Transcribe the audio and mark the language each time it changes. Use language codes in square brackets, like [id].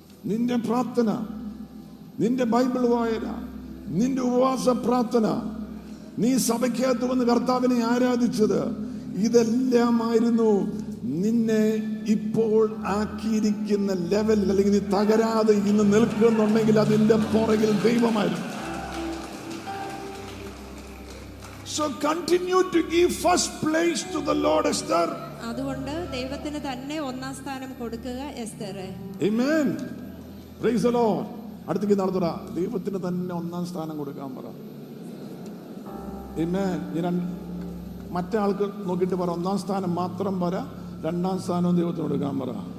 [ml] നിന്റെ പ്രാർത്ഥന, നിന്റെ ബൈബിൾ വായന, നിന്റെ ഉപവാസ പ്രാർത്ഥന, നീ സഭയ്ക്കകത്ത് വന്ന് കർത്താവിനെ ആരാധിച്ചത്, ഇതെല്ലാമായിരുന്നു നിന്നെ ഇപ്പോൾ ആക്കിയിരിക്കുന്ന ലെവലിൽ. അല്ലെങ്കിൽ നീ തകരാതെ ഇന്ന് നിൽക്കുന്നുണ്ടെങ്കിൽ അതിന്റെ പുറകിൽ ദൈവമായിരുന്നു. [en] So continue to give first place to the Lord, Esther. [ml] അതുകൊണ്ട് ദൈവത്തിന് തന്നെ ഒന്നാം സ്ഥാനം കൊടുക്കുക എസ്തറേ. [en] Amen. Praise the Lord. [ml] അടുത്തേക്ക് നടന്നുറ. ദൈവത്തിന് തന്നെ ഒന്നാം സ്ഥാനം കൊടുക്കാൻ പറ. Amen. ഞാൻ മറ്റേ ആൾക്ക് നോക്കിയിട്ട് പറ, ഒന്നാം സ്ഥാനം മാത്രം പറ, രണ്ടാം സ്ഥാനവും ദൈവത്തിന് കൊടുക്കാൻ പറ.